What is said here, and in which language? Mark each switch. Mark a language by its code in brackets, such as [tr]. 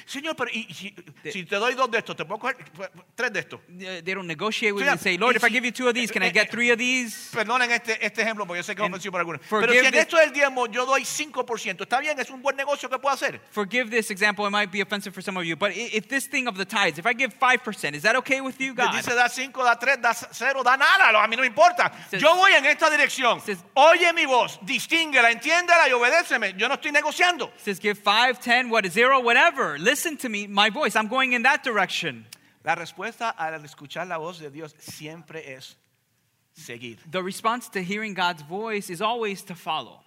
[es] Señor, pero si te doy dos de estos, te puedo coger tres de estos. [en] They don't negotiate with me and say, Lord, if I give you two of these, can I get three of these? [es] Perdonen este ejemplo, porque yo sé que es ofensivo para algunos. Pero si en esto del diezmo yo doy 5%, está bien, es un buen negocio que puedo hacer. [en] Forgive this example, it might be offensive for some of you, but if this thing of the tithes, if I give 5%, is that okay with you, God? [es] Dice da 5, da 3, da 0, da nada, a mí no me importa. Yo voy en esta dirección. [en] Says, [es] oye mi voz, distínguela, entiéndela y obedéceme. Yo no estoy negociando. [en] Says, give 5, 10, what, 0, whatever. Listen to me, my voice. I'm going in that direction. [es] La respuesta al escuchar la voz de Dios siempre es seguir. [en] The response to hearing God's voice is always to follow.